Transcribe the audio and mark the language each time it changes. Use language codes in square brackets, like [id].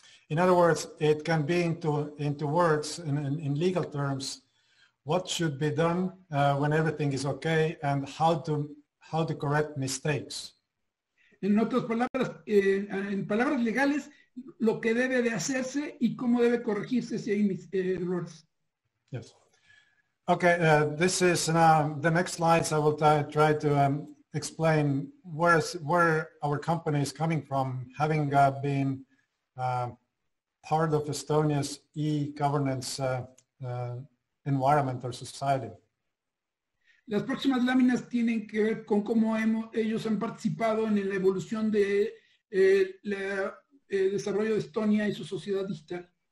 [en] In other words, it can be into words in legal terms, what should be done when everything is okay and how to correct mistakes. [es] En otras palabras, en palabras legales, lo que debe de hacerse y cómo debe corregirse si hay errores. [en] Yes. Okay, this is now the next slides. I will try to explain where our company is coming from, having been part of Estonia's e-governance environment or society. [es] Las próximas láminas tienen que ver con cómo ellos han participado en la evolución de el desarrollo de Estonia y su sociedad digital.